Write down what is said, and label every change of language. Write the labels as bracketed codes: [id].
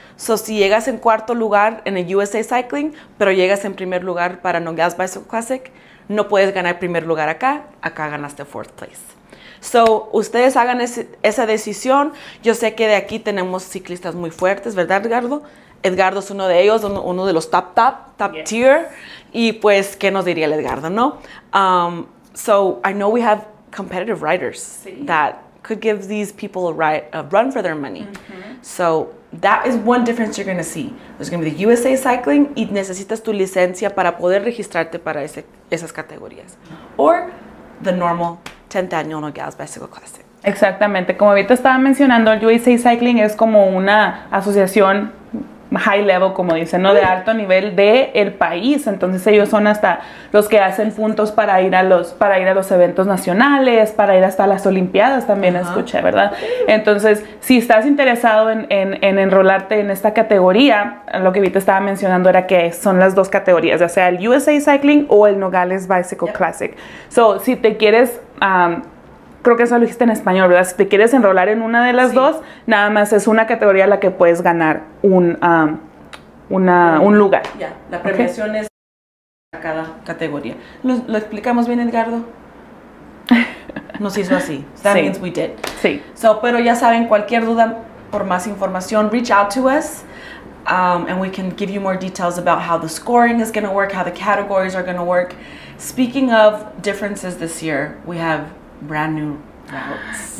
[es] So, si llegas en cuarto lugar en el USA Cycling, pero llegas en primer lugar para Nogales Bicycle Classic, no puedes ganar primer lugar acá. Acá ganaste [en] fourth place. [es] So, ustedes hagan esa decisión. Yo sé que de aquí tenemos ciclistas muy fuertes, ¿verdad, Edgardo? Edgardo es uno de ellos, uno de los top yes. tier. Y, pues, ¿qué nos diría el Edgardo, no? [en] So I know we have competitive riders that could give these people a run for their money. Mm-hmm. So that is one difference you're going to see. There's going to be the USA Cycling, [es] y necesitas tu licencia para poder registrarte para esas categorías. [en] Or the normal 10th Annual Nogales Bicycle Classic. [es] Exactamente. Como ahorita estaba mencionando, el USA Cycling es como una asociación high level, como dicen, ¿no? De alto nivel del país. Entonces ellos son hasta los que hacen puntos para ir a los eventos nacionales, para ir hasta las Olimpiadas también, escuché, ¿verdad? Entonces, si estás interesado en enrolarte en esta categoría, lo que Vita estaba mencionando era que son las dos categorías, ya sea el USA Cycling o el Nogales Bicycle Classic. So, si te quieres... creo que eso lo dijiste en español, ¿verdad? Si te quieres enrolar en una de las dos, nada más es una categoría la que puedes ganar un lugar. La premiación es a cada categoría. ¿Lo explicamos bien, Edgardo? Nos hizo así. [en] That means we did. [es] Sí. So, pero ya saben, cualquier duda, por más información, [en] reach out to us. And we can give you more details about how the scoring is going to work, how the categories are going to work. Speaking of differences this year, we have brand new routes.